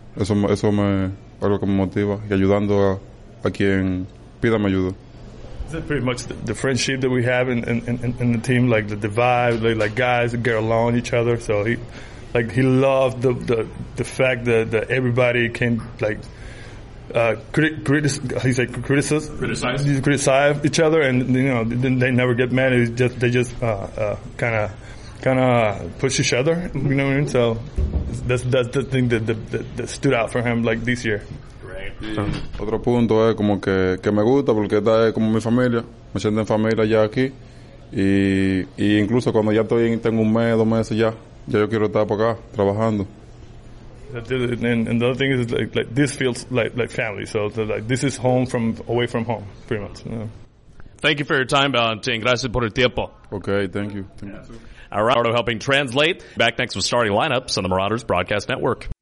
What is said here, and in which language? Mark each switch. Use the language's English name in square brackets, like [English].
[Spanish] Eso me algo que me motiva y ayudando a quien pida mi ayuda. [English] Is it pretty much the friendship that we have in the team, like the vibe, like guys get along each other? So he loved the fact that everybody can like criticize each other, and you know they never get mad. It's just they just kind of push each other. You know what I mean? So that's the thing that stood out for him like this year. [Spanish] Sí. Otro punto es como que me gusta porque esta es como mi familia, me siento en familia ya aquí y incluso cuando ya estoy tengo un mes, dos meses ya yo quiero estar por acá trabajando. [English] And the other thing is like this feels like family, so like this is home from away from home pretty much. Thank you for your time, Valentin. [Spanish] Gracias por el tiempo. [English] Okay, thank you. All right, Arado helping translate. Back next with starting lineups on the Marauders Broadcast Network.